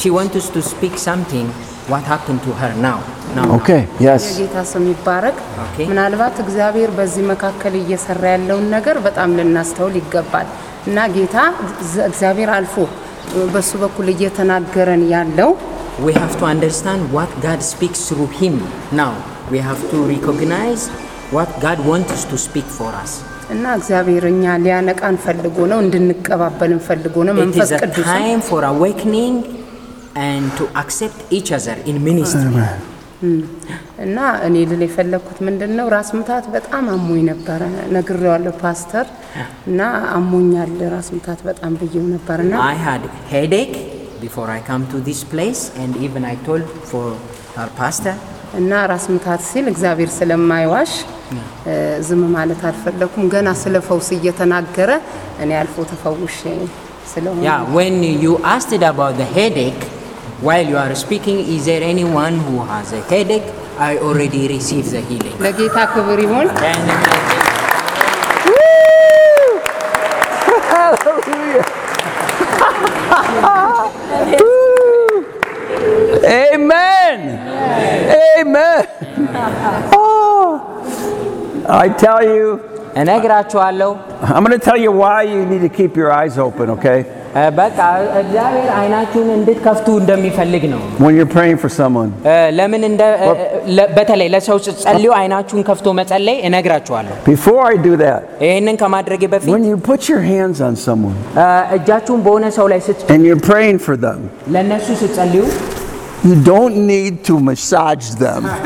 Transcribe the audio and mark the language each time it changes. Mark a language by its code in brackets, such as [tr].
[en] She wants us to speak something. What happened to her now? Okay. Yes. [am] ጌታ ስም ይባረክ። ምናልባት እግዚአብሔር በዚህ መካከል እየሰራ ያለውን ነገር በጣም ለናስተውል ይገባል። እና ጌታ እግዚአብሔር አልፎ በሱ በኩል እየተናገረን ያለው [en] We have to understand what God speaks through him now. We have to recognize what God wants to speak for us [am] እና እግዚአብሔርኛ ሊያነቃን ፈልጎ ነው እንድንቀባበልን ፈልጎ ነው [en] መንፈስ ቅዱስ It is a time for awakening and to accept each other in ministry [am] እና እኔ ለሌ ፈለኩት ምንድነው ራስ ምታት በጣም አሞኝ ነበር ነግሬዋለሁ ፓስተር እና አሞኛል ራስ ምታት በጣም ብየው ነበርና [en] I had headache before I come to this place and even I told for our pastor [am] እና ራስ ምታት ሲል እግዚአብሔር ስለማይዋሽ ዝም ማለት አልፈለኩም ገና ስለፈውስ እየተናገረ እኔ አልፎ ተፈውሽ ስለሆነ [en] Yeah when you asked about the headache while you are speaking is there anyone who has a headache I already received the healing [am] ለጌታ ክብር ይሁን [en] Amen Amen. Oh, I tell you, [am] እነግራችኋለሁ. [en] I'm going to tell you why you need to keep your eyes open, okay? [am] በቃ እግዚአብሔር አይናችሁን እንድትከፍቱ እንደሚፈልግ ነው. [en] When you're praying for someone. [am] ለምን እንደ በተለይ ለሰው ጸልዩ አይናችሁን ከፍቶ መጸለይ እነግራችኋለሁ. [en] Before I do that. [am] እነን ከማድረግ በፊት [en] When you put your hands on someone. [am] እጃችሁን በሆነ ሰው ላይ ስትጭ [en] And you're praying for them. [am] ለነሱ ስትጸልዩ [en] You don't need to massage them.